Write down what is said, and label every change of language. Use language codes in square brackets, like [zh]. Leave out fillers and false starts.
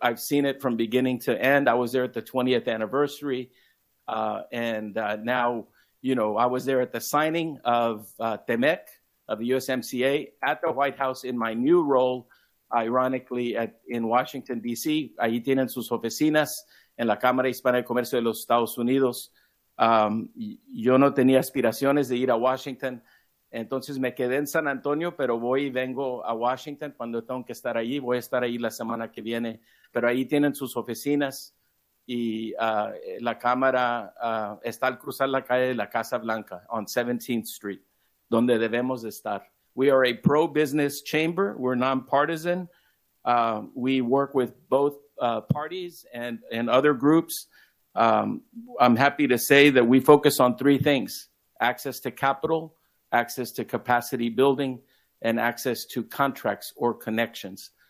[en] I've seen it from beginning to end. I was there at the 20th anniversary, now, you know, I was there at the signing of TEMEC, of the USMCA, at the White House in my new role, ironically, in Washington, D.C. [es] Allí tienen sus oficinas en la Cámara Hispana de Comercio de los Estados Unidos. Yo no tenía aspiraciones de ir a Washington. Entonces me quedé en San Antonio, pero voy y vengo a Washington cuando tengo que estar allí. Voy a estar ahí la semana que viene. Pero ahí tienen sus oficinas. Y la Cámara está al cruzar la calle de la Casa Blanca, [en] on 17th Street, [es] donde debemos estar. [en] We are a pro-business chamber. We're nonpartisan. We work with both parties and other groups. I'm happy to say that we focus on three things: access to capital, access to capacity building, and access to contracts or connections.